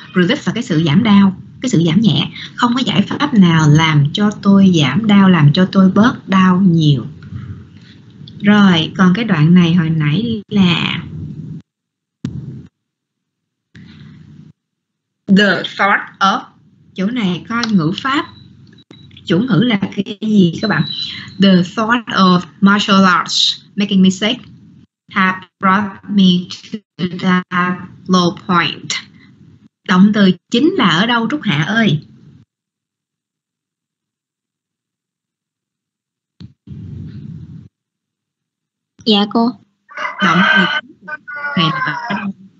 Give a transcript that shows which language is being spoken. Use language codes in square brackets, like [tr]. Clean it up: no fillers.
[vi] Relief là cái sự giảm đau, cái sự giảm nhẹ. Không có giải pháp nào làm cho tôi giảm đau, làm cho tôi bớt đau nhiều. Rồi, còn cái đoạn này hồi nãy là [en] the thought of, [vi] chỗ này coi ngữ pháp, chủ ngữ là cái gì các bạn? [en] The thought of martial arts making mistake have brought me to that low point. [vi] Động từ chính là ở đâu Trúc Hạ ơi? Dạ cô. Động từ chính là ở đâu?